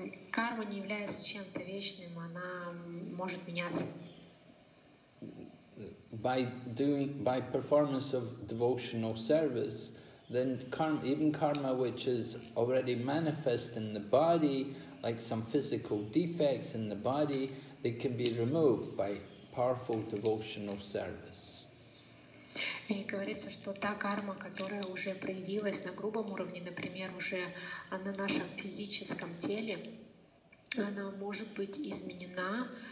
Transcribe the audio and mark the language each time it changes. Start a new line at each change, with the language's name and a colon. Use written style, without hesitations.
Russian: Karma не является чем-то вечным, она может меняться.
English: By performance of devotional service, then karma, even karma which is already manifest in the body, like some physical defects in the body, they can be removed by powerful devotional service.
Russian: И говорится, что та карма, которая уже проявилась на грубом уровне, например, уже на нашем физическом теле, она может быть изменена.